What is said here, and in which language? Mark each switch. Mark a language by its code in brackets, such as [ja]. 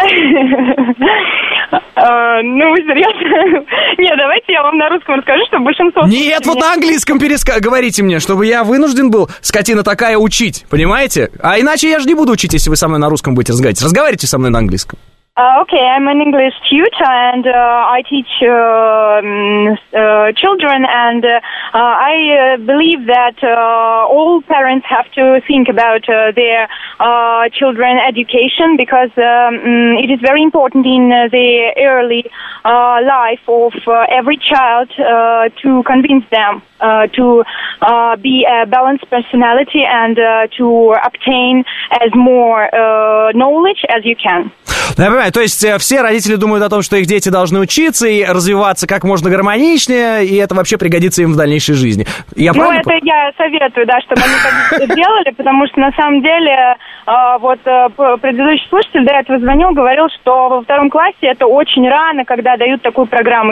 [ru] Ну, вы серьезно? Нет, давайте я вам на русском расскажу, чтобы большинство... Нет, меня... вот на английском говорите мне, чтобы я вынужден был, скотина такая, учить, понимаете? А иначе я же не буду учить, если вы со мной на русском будете разговаривать. Разговаривайте со мной на английском. [en] Okay, I'm an English tutor, and I teach children, and I believe that all parents have to think about their children education, because it is very important in the early life of every child to convince them to be a balanced personality and to obtain as more knowledge as you can. [ru] Ну, я понимаю, то есть все родители думают о том, что их дети должны учиться и развиваться как можно гармоничнее, и это вообще пригодится им в дальнейшей жизни. Я правильно? Это я советую, да, чтобы они так делали, потому что на самом деле вот предыдущий слушатель до этого звонил, говорил, что во втором классе это очень рано, когда дают такую программу.